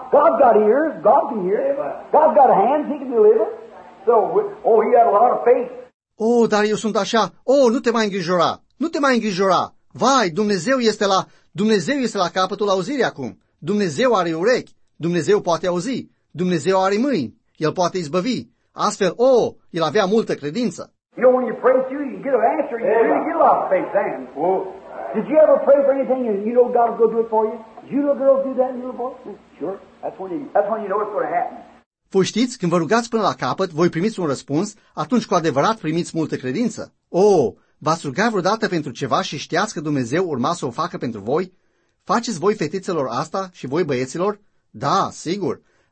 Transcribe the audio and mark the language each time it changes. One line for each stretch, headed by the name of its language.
English: God's got ears, God can hear. God's got hands, he can deliver. So, oh, he had a lot of faith.
Romanian: Oh, dar eu sunt așa. Oh, nu te mai îngrijora. Nu te mai îngrijora. Vai, Dumnezeu este la capătul auzirii acum. Dumnezeu are urechi. Dumnezeu poate auzi. Dumnezeu are mâini. El poate izbăvi. Astfel, oh, el avea multă credință.
English: You know, when you pray, you can get an answer. You really get a lot of faith then. Did you ever pray for anything and you know God will go do it for you? Did you little girls do that in your boy? Sure. That's when you know it's going to happen.
Romanian: Voi știți, când vă rugați până la capăt, voi primiți un răspuns, atunci cu adevărat primiți multă credință. Oh, v-ați rugat vreodată pentru ceva și știați că Dumnezeu urma să o facă pentru voi? Faceți voi fetițelor asta și voi băieților? Da, sigur.